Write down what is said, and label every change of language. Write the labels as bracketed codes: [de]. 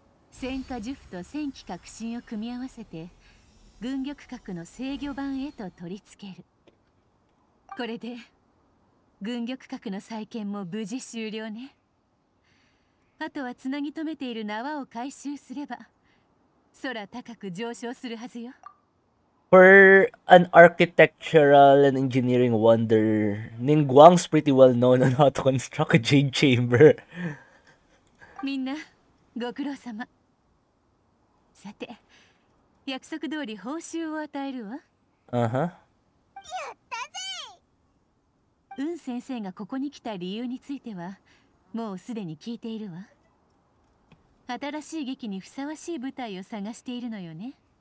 [ja] 戦火呪符と戦機革新を組み合わせて軍玉閣の制御盤へと取り付ける。これで軍玉閣の再建も無事終了ね。あとはつなぎ止めている縄を回収すれば空高く上昇するはずよ。 [en] For an architectural and engineering wonder, Ningguang's pretty well known on how to construct a jade chamber. [ja] みんなご苦労様。さて約束通り報酬を与えるわ。やったぜ。雲先生がここに来た理由についてはもうすでに聞いているわ。新しい劇にふさわしい舞台を探しているのよね。